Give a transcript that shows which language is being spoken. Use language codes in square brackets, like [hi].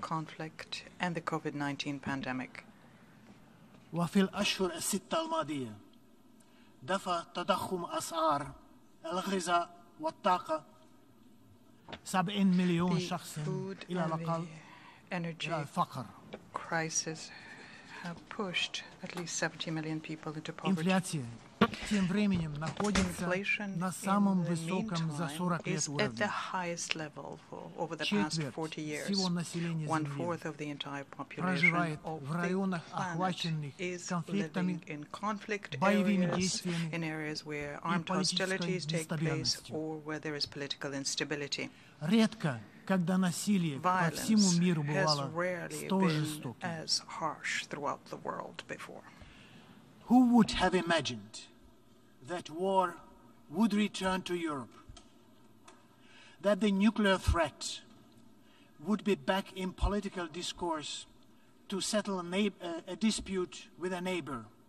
[en] conflict and the COVID-19 pandemic. [ar] وفي الأشهر الستة الماضية دفع تضخم أسعار الغذاء والطاقة 70 مليون شخص إلى الأقل [en] energy [ar] إلى الفقر. [en] Crisis have pushed at least 70 million people into poverty. [ru] Инфляция тем временем находится на самом высоком за 40 лет уровне. [en] At the highest level over the past 40 years. [ru] Всего населения [en] Земли. One fourth of the entire population [ru] проживает в районах, охваченных конфликтами, боевыми действиями, [en] in areas where armed hostilities take place or where there is political instability. [ru] Редко, когда насилие по всему миру бывало столь жестоким. [en] As harsh throughout the world before. Who would have imagined that war would return to Europe? That the nuclear threat would be back in political discourse to settle a dispute with a neighbor?